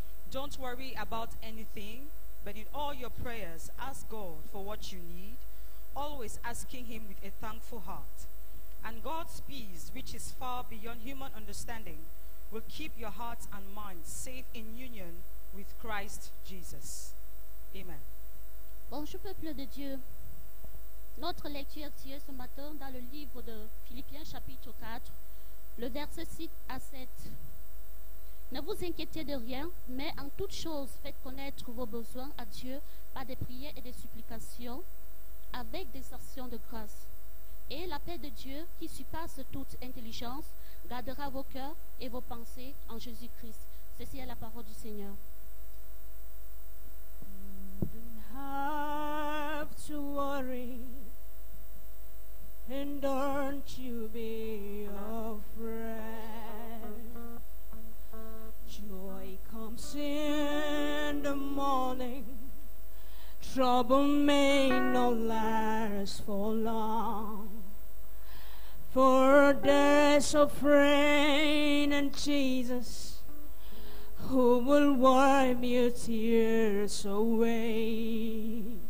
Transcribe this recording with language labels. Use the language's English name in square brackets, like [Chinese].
[English] Don't worry about anything, but in all your prayers, ask God for what you need, always asking him with a thankful heart. And God's peace, which is far beyond human understanding, will keep your hearts and minds safe in union with Christ Jesus. Amen. [French] Bonjour peuple de Dieu. Notre lecture tirée ce matin dans le livre de Philippiens chapitre 4, le verset 6 à 7. Ne vous inquiétez de rien, mais en toute chose, faites connaître vos besoins à Dieu par des prières et des supplications, avec des actions de grâce. Et la paix de Dieu, qui surpasse toute intelligence, gardera vos cœurs et vos pensées en Jésus-Christ. Ceci est la parole du Seigneur. [English] You don't have to worry, and don't you be afraid. Joy comes in the morning, trouble may no last for long, for there's a friend in Jesus who will wipe your tears away.